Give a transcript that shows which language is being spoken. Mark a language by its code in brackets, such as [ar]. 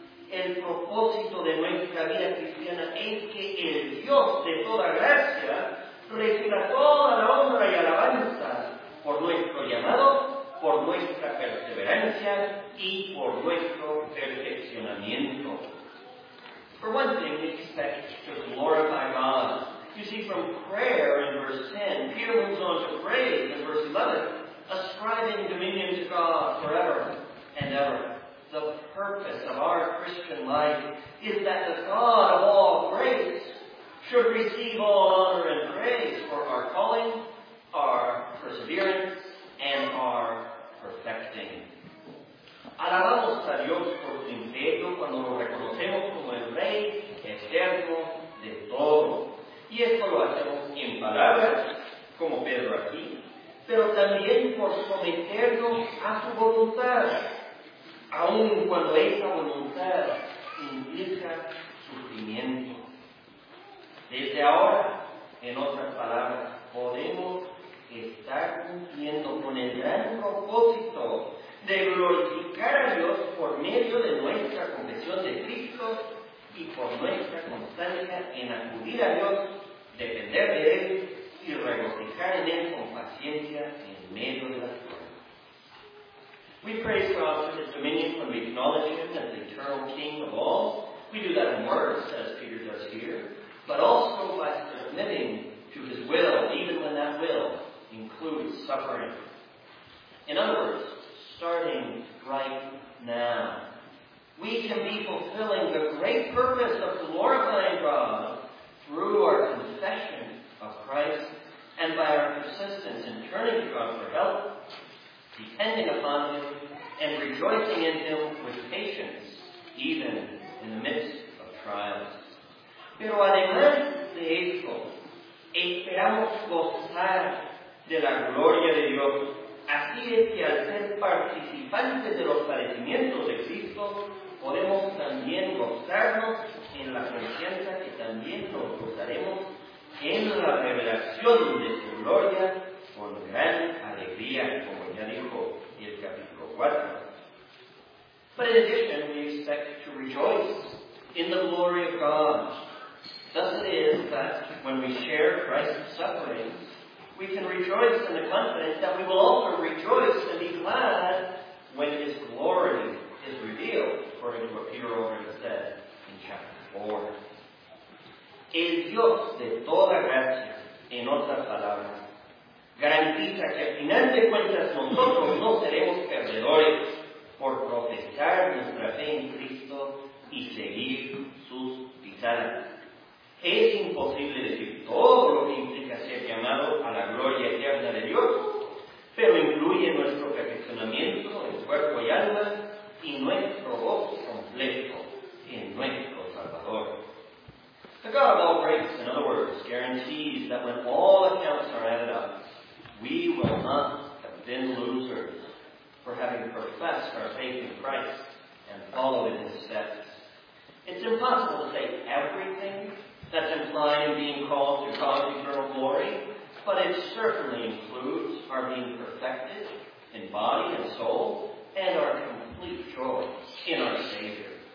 [es] El propósito de nuestra vida cristiana es que el Dios de toda gracia reciba toda la honra y alabanza por nuestro llamado, por nuestra perseverancia y por nuestro perfeccionamiento. [en] For one thing, we expect to glorify God. You see, from prayer in verse 10, Peter moves on to praise in verse 11, ascribing dominion to God forever and ever. The purpose of our Christian life is that the God of all grace should receive all honor and praise for our calling, our perseverance, and our perfecting. [es] Alabamos a Dios por su imperio cuando lo reconocemos como el Rey eterno de todo. Y esto lo hacemos en palabras, como Pedro aquí, pero también por someternos a su voluntad, aun cuando esa voluntad implica sufrimiento. Desde ahora, en otras palabras, podemos haciendo con el gran propósito de glorificar a Dios por medio de nuestra confesión de Cristo y por nuestra constancia en acudir a Dios, depender de Él y regocijar en Él con paciencia en medio de las pruebas. [en] We praise God for His dominion when we acknowledge Him as the eternal King of all. We do that in words, as Peter does here, but also by submitting to His will, even when that will includes suffering. In other words, starting right now, we can be fulfilling the great purpose of glorifying God through our confession of Christ and by our persistence in turning to God for help, depending upon Him, and rejoicing in Him with patience, even in the midst of trials. [es] Pero además de esto, esperamos gozar de la gloria de Dios. Así es que al ser participantes de los padecimientos de Cristo, podemos también gozarnos en la conciencia que también nos gozaremos en la revelación de su gloria con gran alegría, como ya dijo el capítulo 4. [en] But in addition, we expect to rejoice in the glory of God. Thus it is that when we share Christ's sufferings, we can rejoice in the confidence that we will also rejoice and be glad when His glory is revealed, according to what Peter already said in chapter 4. [es] El Dios de toda gracia, en otras palabras, garantiza que al final de cuentas nosotros no seremos perdedores por profesar nuestra fe en Cristo y seguir sus pisadas. Es imposible decir todo lo que implica ser llamado a la gloria eterna de Dios, pero incluye nuestro perfeccionamiento en cuerpo y alma y nuestro gozo completo en nuestro Salvador. [en] The God of all grace, in other words, guarantees that when all accounts are added up, we will not have been losers for having professed our faith in Christ and followed His steps. It's impossible to say everything that's implied in being called to God's eternal glory, but it certainly includes our being perfected in body and soul and our complete joy in our Savior.